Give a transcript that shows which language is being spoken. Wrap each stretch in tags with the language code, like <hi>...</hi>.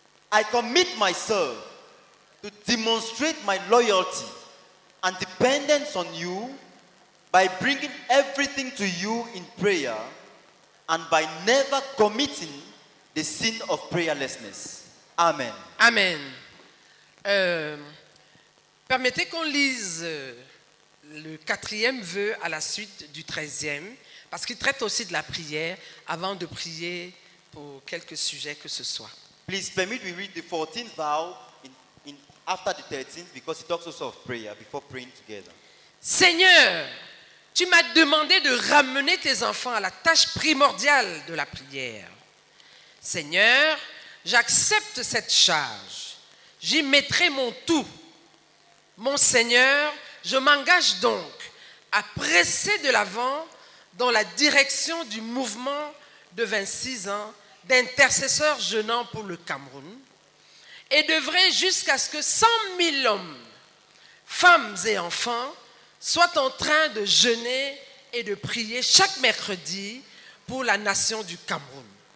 <en>I commit myself to demonstrate my loyalty and dependence on you by bringing everything to you in prayer and by never committing the sin of prayerlessness. Amen. Amen.</en> <fr>Permettez qu'on lise le quatrième vœu à la suite du treizième, parce qu'il traite aussi de la prière avant de prier pour quelque sujet que ce soit.</fr> <en>Please permit me read the 14th vow in after the 13th, because it talks also of prayer before praying together.</en> <fr>Seigneur, tu m'as demandé de ramener tes enfants à la tâche primordiale de la prière. Seigneur, j'accepte cette charge. J'y mettrai mon tout. Mon Seigneur, je m'engage donc à presser de l'avant dans la direction du mouvement de 26 ans d'intercesseurs jeûnant pour le Cameroun et d'œuvrer jusqu'à ce que 100 000 hommes, femmes et enfants soient en train de jeûner et de prier chaque mercredi pour la nation du Cameroun.</fr>